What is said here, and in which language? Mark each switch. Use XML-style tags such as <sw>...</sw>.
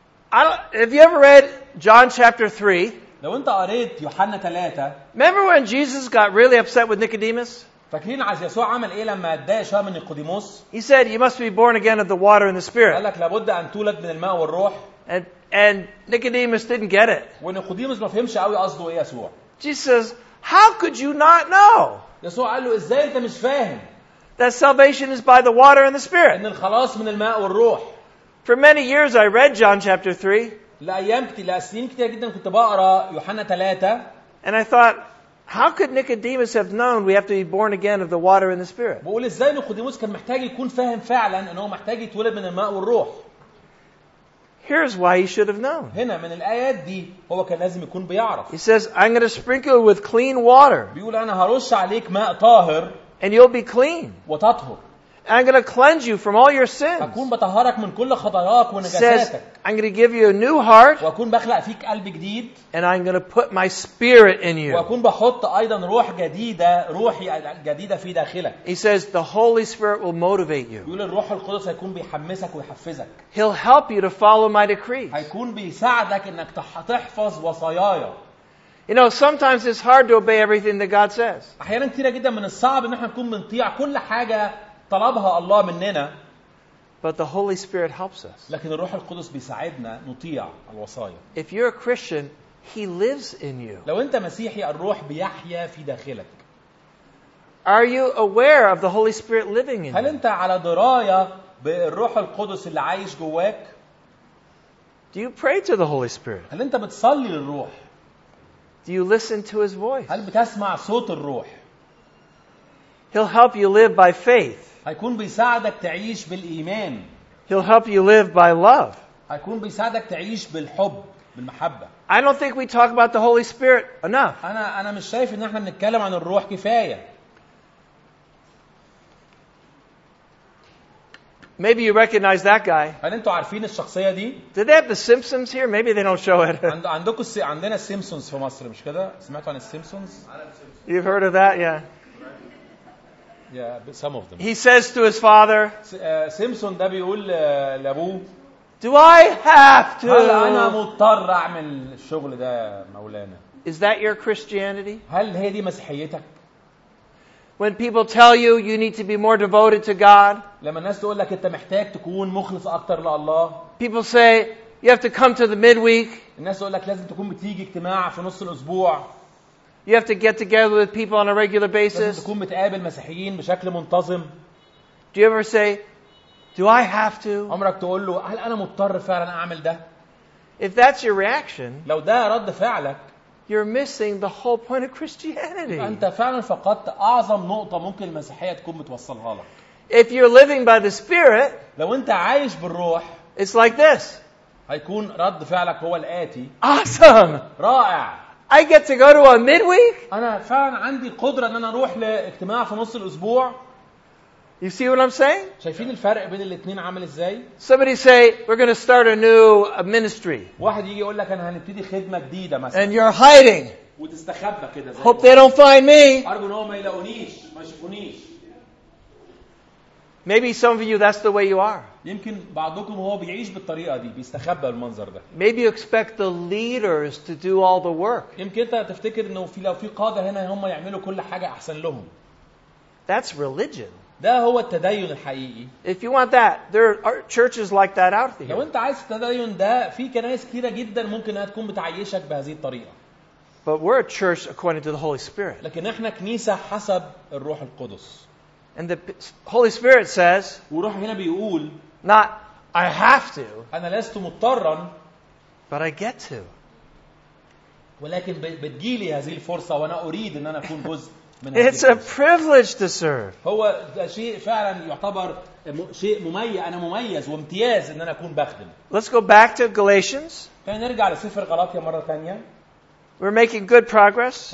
<en>Have you ever read John chapter 3?</en> <ar>لو أنت قريت يوحنا 3.</ar> <en>Remember when Jesus got really upset with Nicodemus?</en> <ar>فاكرين عز يسوع عمل إيه لما اتضايق شوية من نيقوديموس?</ar> <en>He said you must be born again of the water and the Spirit.</en> <ar>قال لك لابد أن تولد من الماء والروح.</ar> <en>And Nicodemus didn't get it.</en> <ar>ونيقوديموس ما فهمش قوي قصده ايه يسوع.</ar> <en>Jesus, how could you not know?</en> <ar>يسوع قال له ازاي انت مش فاهم?</ar> <en>That salvation is by the water and the spirit.</en> <ar>ان الخلاص من الماء والروح.</ar> <en>For many years I read John chapter 3.</en> <ar>لسنين كتير جدا كنت بقرا يوحنا 3.</ar> <en>And I thought, how could Nicodemus have known we have to be born again of the water and the spirit?</en> <ar>بقول ازاي نيقوديموس كان محتاج يكون فاهم فعلا ان هو محتاج يتولد من الماء والروح.</ar> <en>Here's why he should have known.</en> <ar>هنا من الآيات دي هو كان لازم يكون بيعرف.</ar> <en>He says, "I'm going to sprinkle with clean water."</en> <ar>بيقول أنا هرش عليك ماء طاهر.</ar> <en>And you'll be clean.</en> <ar>وتطهر.</ar> <en>I'm going to cleanse you from all your sins.</en> <ar>هكون بطهرك من كل خطاياك ونجاساتك.</ar> <en>Says, "I'm going to give you a new heart."</en> <ar>وأكون بخلق فيك قلب جديد.</ar> <en>And I'm going to put my spirit in you.</en> <ar>وأكون بحط أيضا روح جديدة روحي جديدة في داخلك.</ar> <en>He says, "The Holy Spirit will motivate you."</en> <ar>بيقول الروح القدس هيكون بيحمسك ويحفزك.</ar> <en>He'll help you to follow my decrees.</en> <ar>هيكون بيساعدك إنك تحفظ وصاياي.</ar> <en>You know, sometimes it's hard to obey everything that God says.</en> <ar>أحياناً كثيرة جداً من الصعب إن إحنا نكون بنطيع كل حاجة طلبها الله مننا.</ar> <en>But the Holy Spirit helps us.</en> <ar>لكن الروح القدس بيساعدنا نطيع الوصايا.</ar> <en>If you're a Christian, He lives in you.</en> <ar>لو أنت مسيحي الروح بيحيا في داخلك.</ar> <en>Are you aware of the Holy Spirit living in you?</en> <ar>هل أنت على دراية بالروح القدس اللي عايش جواك؟</ar> <en>Do you pray to the Holy Spirit?</en> <ar>هل أنت بتصلي للروح؟</ar> <en>Do you listen to His voice?</en> <ar>هل بتسمع صوت الروح؟</ar> <en>He'll help you live by faith.</en> <ar>هيكون بيساعدك تعيش بالإيمان.</ar> <en>He'll help you live by love.</en> <ar>هيكون بيساعدك تعيش بالحب. بالمحبة.</ar> <en>I don't think we talk about the Holy Spirit enough.</en> <ar>أنا مش شايف إن إحنا بنتكلم عن الروح كفاية.</ar> <en>Maybe you recognize that guy.</en> <ar>هل أنتوا عارفين الشخصية دي؟</ar> <en>Do they have the Simpsons here? Maybe they don't show it.</en> <ar>عندنا Simpsons في مصر مش كده؟ سمعتوا عن Simpsons؟</ar> <en>You've heard of that, yeah. Yeah, but some of them. He says to his father.</en> <ar>Simpson ده بيقول لأبوه.</ar> <en>Do I have to?</en> <ar>هل أنا مضطر أعمل الشغل ده مولانا؟</ar> <en>Is that your Christianity?</en> <ar>هل هي دي مسيحيتك؟</ar> <en>When people tell you you need to be more devoted to God.</en> <ar>لما الناس تقول لك أنت محتاج تكون مخلص أكتر لله.</ar> <en>People say you have to come to the midweek.</en> <ar>الناس تقول لك لازم تكون بتيجي اجتماع في نص الأسبوع.</ar> <en>You have to get together with people on a regular basis.</en> <ar>لازم تكون متقابل مسيحيين بشكل منتظم.</ar> <en>Do you ever say, Do I have to?</en> <ar>عمرك تقول له هل أنا مضطر فعلا أعمل ده؟</ar> <en>If that's your reaction,</en> <ar>لو ده رد فعلك,</ar> <en>you're missing the whole point of Christianity.</en> <ar>أنت فعلا فقدت أعظم نقطة ممكن المسيحية تكون متوصلها لك.</ar> <en>If you're living by the Spirit,</en> <ar>لو أنت عايش بالروح,</ar> <en>it's like this.</en> <ar>هيكون رد فعلك هو الآتي.</ar> <en>Awesome.</en> <ar>رائع.</ar> <en>I get to go to a midweek.</en> <ar>أنا فعلا عندي قدرة إن أنا أروح لاجتماع في نص الأسبوع.</ar> <en>You see what I'm saying?</en> <ar>شايفين الفرق بين الاثنين عامل ازاي؟</ar> <en>Somebody say we're going to start a new ministry.</en> <ar>واحد يجي يقول لك انا هنبتدي خدمة جديدة مثلا.</ar> <en>And you're hiding.</en> <ar>وتستخبى كده زي.</ar> <en>Hope they don't find me.</en> <ar>ارجو ان هم ما يلاقونيش، ما يشوفونيش.</ar> <en>Maybe some of you that's the way you are.</en> <ar>يمكن بعضكم هو بيعيش بالطريقة دي، بيستخبى المنظر ده.</ar> <en>Maybe you expect the leaders to do all the work.</en> <ar>يمكن انت تفتكر انه في لو في قادة هنا هم يعملوا كل حاجة احسن لهم.</ar> <en>That's religion.</en> <ar>ده هو التدين الحقيقي.</ar> <en>If you want that, there are churches like that out there.</en> <ar>لو أنت عايز التدين ده، في كنائس كثيرة جدا ممكن أنها تكون بتعيشك بهذه الطريقة.</ar> <en>But we're a church according to the Holy Spirit.</en> <ar>لكن إحنا كنيسة حسب الروح القدس.</ar> <en>And the Holy Spirit says.</en> <ar>وروح هنا بيقول.</ar> <en>Not I have to.</en> <ar>أنا لست مضطرا.</ar> <en>But I get to.</en> <ar>ولكن بتجيلي هذه الفرصة وأنا أريد إن أنا أكون جزء.</ar> <en>It's a privilege to serve.</en> <ar>هو شيء فعلا يعتبر شيء مميز انا مميز وامتياز ان انا اكون بخدم.</ar> <en>Let's go back to Galatians.</en> <ar>خلينا نرجع لسفر غلاطيا مره ثانيه.</ar> <en>We're making good progress.</en>